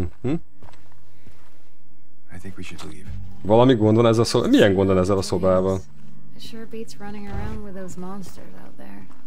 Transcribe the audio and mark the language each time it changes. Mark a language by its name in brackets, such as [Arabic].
[English] Mm-hmm. I think we should leave. [Hungarian] Valami gond van ezzel a szobával? Milyen gond van ezzel a szobával? [English] It sure beats running around with those monsters out there.